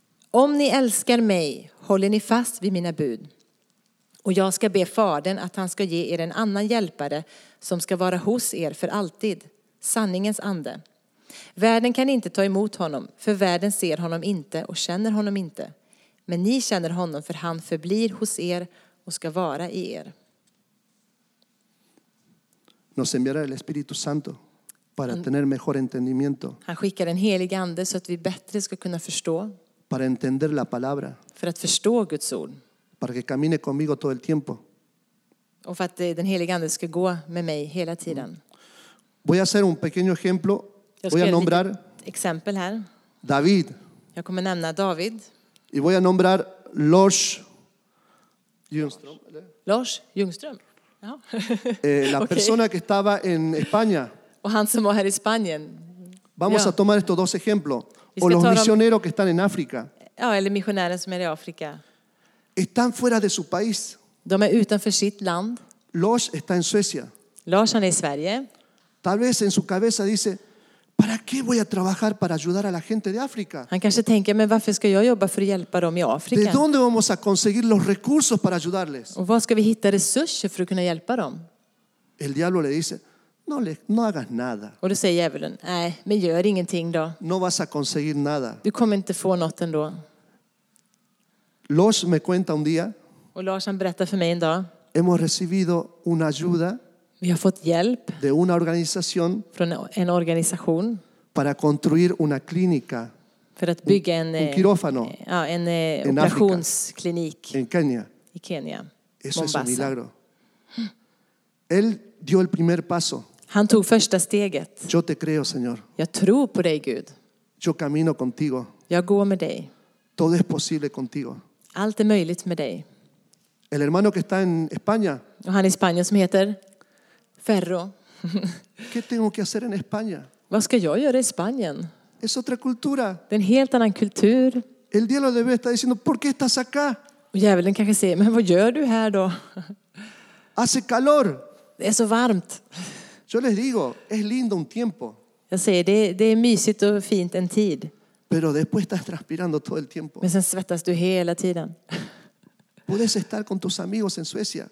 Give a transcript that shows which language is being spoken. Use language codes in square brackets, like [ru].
[sv] Om ni älskar mig håller ni fast vid mina bud. Och jag ska be Fadern att han ska ge er en annan hjälpare som ska vara hos er för alltid. Sanningens ande. Världen kan inte ta emot honom, för världen ser honom inte och känner honom inte. Men ni känner honom, för han förblir hos er och ska vara i er. [es] Nos enviará el Espíritu Santo para tener mejor entendimiento. [sv] Han skickar en helig ande så att vi bättre ska kunna förstå. [es] Para entender la palabra. [sv] För att förstå Guds ord. [es] Para que camine conmigo todo el tiempo. [sv] Och för att den helige ande ska gå med mig hela tiden. [es] Voy a hacer un pequeño ejemplo. Voy a nombrar [sv] exempel här. [es] David. [sv] Jag kommer nämna David. [es] Y voy a nombrar Lars Ljungström. [sv] Lars Ljungström. Ja. [es] La persona que estaba en España. [sv] Och han som var här i Spanien. [es] Vamos a tomar estos dos ejemplos. O los misioneros que están en África. [sv] Ja, eller missionären som är i Afrika. [es] Están fuera de su país. [sv] De är utanför sitt land. [es] Lars está en Suecia. [sv] Lars, han är i Sverige. [es] Tal vez en su cabeza dice, ¿para qué voy a trabajar para ayudar a la gente de África? [sv] Han kanske tänker, men varför ska jag jobba för att hjälpa dem i Afrika? [es] ¿De dónde vamos a conseguir los recursos para ayudarles? [sv] Och var ska vi hitta resurser för att kunna hjälpa dem? [es] El diablo le dice, no hagas nada. [sv] Och då säger djävulen, nej, men gör ingenting då. [es] No vas a conseguir nada. [sv] Du kommer inte få något ändå. [es] Lars me cuenta un día. [sv] Och Lars, han berättar för mig en dag. [es] Hemos recibido una ayuda. [sv] Vi har fått hjälp [es] de una organización [sv] från en organisation [es] para construir una clínica, [sv] för att bygga [es] un quirófano, [sv] en operationsklinik [es] en Kenya. [sv] I Kenya. [es] Eso Mombasa. Es un milagro. Él dio el primer paso. [sv] Han tog första steget. [es] Yo te creo, Señor. [sv] Jag tror på dig, Gud. [es] Yo camino contigo. [sv] Jag går med dig. [es] Todo es posible contigo. [sv] Allt är möjligt med dig. [es] El hermano que está en España. [sv] Och han i Spanien som heter Ferro. [es] ¿Qué tengo que hacer en España? [sv] Vad ska jag göra i Spanien? [es] Es otra cultura. [sv] Det är en helt annan kultur. [es] El diablo debe estar diciendo, ¿por qué estás acá? [sv] Och djävulen kanske säger, men vad gör du här då? [es] Hace calor. [sv] Det är så varmt. [es] Yo les digo, es lindo un tiempo. [sv] Jag säger, det är mysigt och fint en tid. [es] Pero después estás transpirando todo el tiempo. [sv] Men sen svettas du hela tiden. [es] Puedes estar con tus amigos en Suecia.